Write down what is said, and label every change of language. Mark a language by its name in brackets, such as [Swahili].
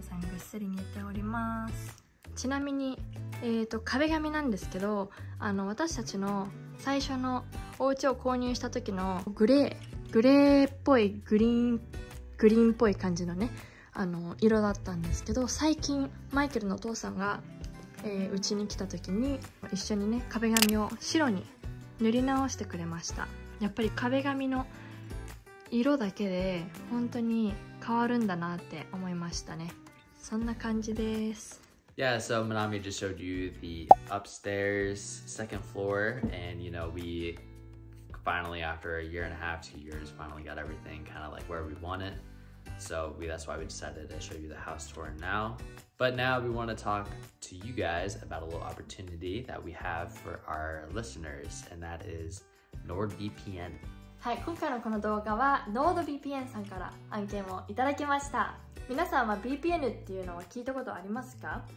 [Japanese] ぐっすり寝ております。ちなみに、壁紙なんですけど、私たちの最初のお家を購入した時のグレーっぽい、グリーンっぽい感じのね、色だったんですけど、最近マイケルのお父さんが、家に来た時に一緒にね、壁紙を白に塗り直してくれました。やっぱり壁紙の色だけで本当に変わるんだなって思いましたね。そんな感じです。 [English] Yeah, so Manami just showed you the upstairs second floor, and you know, we finally, after a year and a half, 2 years, finally got everything kind of like where we want it. So we, that's why we decided to show you the house tour now. But now we want to talk to you guys about a little opportunity that we have for our listeners, and that is NordVPN. [Japanese] はい、今回のこの動画は NordVPN さんから案件をいただきました。皆さんは VPN っていうのは聞いたことありますか？